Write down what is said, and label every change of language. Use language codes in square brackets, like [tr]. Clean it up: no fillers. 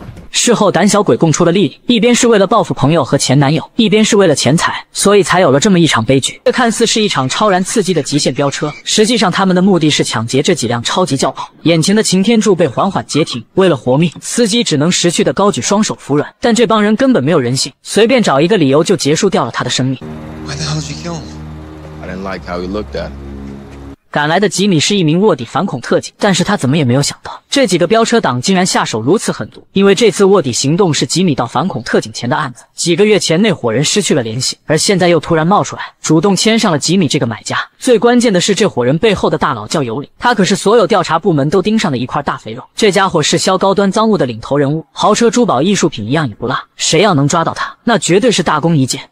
[zh] 事后胆小鬼供出了莉莉，一边是为了报复朋友和前男友，一边是为了钱财，所以才有了这么一场悲剧。这看似是一场超然刺激的极限飙车，实际上他们的目的是抢劫这几辆超级轿跑。眼前的擎天柱被缓缓截停，为了活命司机只能识趣的高举双手服软，但这帮人根本没有人性，随便找一个理由就结束掉了他的生命。 [en] Why the hell did you kill him? I didn't like how he looked at him. [zh] 赶来的吉米是一名卧底反恐特警，但是他怎么也没有想到这几个飙车党竟然下手如此狠毒，因为这次卧底行动是吉米到反恐特警前的案子，几个月前那伙人失去了联系，而现在又突然冒出来主动牵上了吉米这个买家。最关键的是这伙人背后的大佬叫尤里，他可是所有调查部门都盯上的一块大肥肉，这家伙是销高端赃物的领头人物，豪车珠宝艺术品一样也不落，谁要能抓到他那绝对是大功一件。